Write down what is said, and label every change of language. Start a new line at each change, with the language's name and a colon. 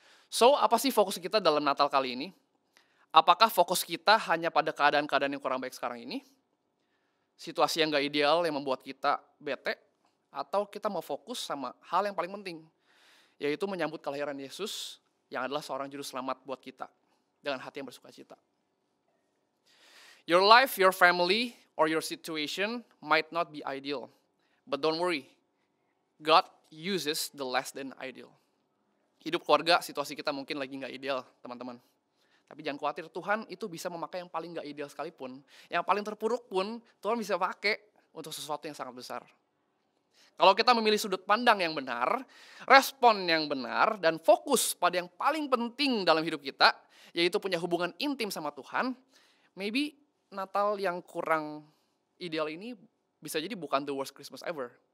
Indonesian: So, apa sih fokus kita dalam Natal kali ini? Apakah fokus kita hanya pada keadaan-keadaan yang kurang baik sekarang ini? Situasi yang gak ideal yang membuat kita bete? Atau kita mau fokus sama hal yang paling penting? Yaitu menyambut kelahiran Yesus yang adalah seorang juru selamat buat kita. Dengan hati yang bersuka cita.
English: Your life, your family, or your situation might not be ideal. But don't worry. God uses the less than ideal.
Indonesian: Hidup keluarga, situasi kita mungkin lagi gak ideal, teman-teman. Tapi jangan khawatir, Tuhan itu bisa memakai yang paling gak ideal sekalipun. Yang paling terpuruk pun, Tuhan bisa pakai untuk sesuatu yang sangat besar. Kalau kita memilih sudut pandang yang benar, respon yang benar, dan fokus pada yang paling penting dalam hidup kita, yaitu punya hubungan intim sama Tuhan, maybe Natal yang kurang ideal ini bisa jadi bukan
English: the worst Christmas ever.